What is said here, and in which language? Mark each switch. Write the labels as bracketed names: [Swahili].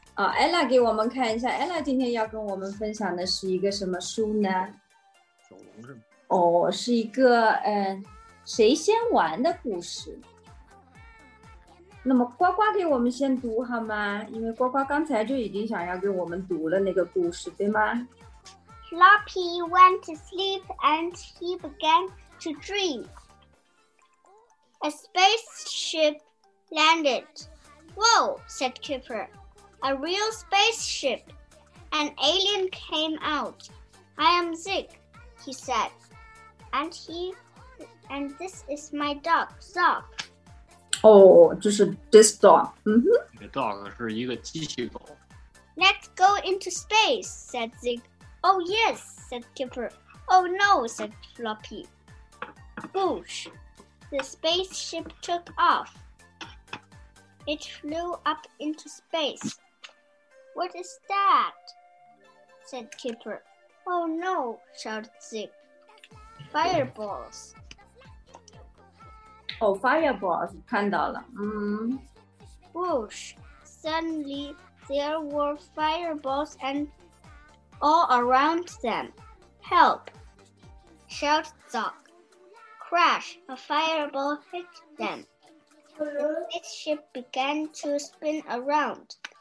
[Chinese] 哦， Ella 给我们看一下， Ella 今天要跟我们分享的是一个什么书呢？小龙是吗？哦，是一个谁先玩的故事。那么呱呱给我们先读好吗？因为呱呱刚才就已经想要给我们读了那个故事对吗？ [English] Sloppy went to sleep and he began to dream. A spaceship landed. Whoa, said Kipper. A real spaceship. An alien came out. I am Zig, he said. And this is my dog, Zog. [Chinese] 哦，就是 [English] this dog。嗯哼， [Chinese] 这个 dog 是一个机器狗。 [English] Let's go into space, said Zig. Oh yes, said Kipper. Oh no, said Floppy. Boosh, the spaceship took off. It flew up into space. What is that? Said Kipper. Oh no, shouted Zig. Fireballs. Oh, fireballs, [Chinese] 看到了， [English] Boosh, suddenly there were fireballs and all around them. Help, shouted Zog. Crash, a fireball hit them. The ship began to spin around.